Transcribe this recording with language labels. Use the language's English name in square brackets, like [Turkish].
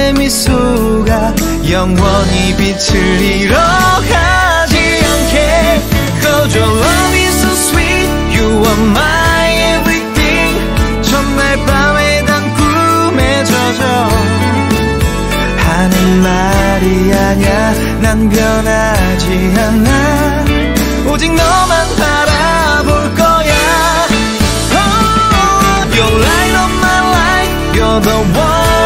[Korean] 미소가 영원히 빛을 잃어가지 않게. [English] 'Cause your love is so sweet, you are my everything. [Korean] 첫날 밤에 난 꿈에 젖어 하는 말이 아냐, 난 변하지 않아. 오직 너만 바라볼 거야. [English] Oh, your light of my life, you're the one.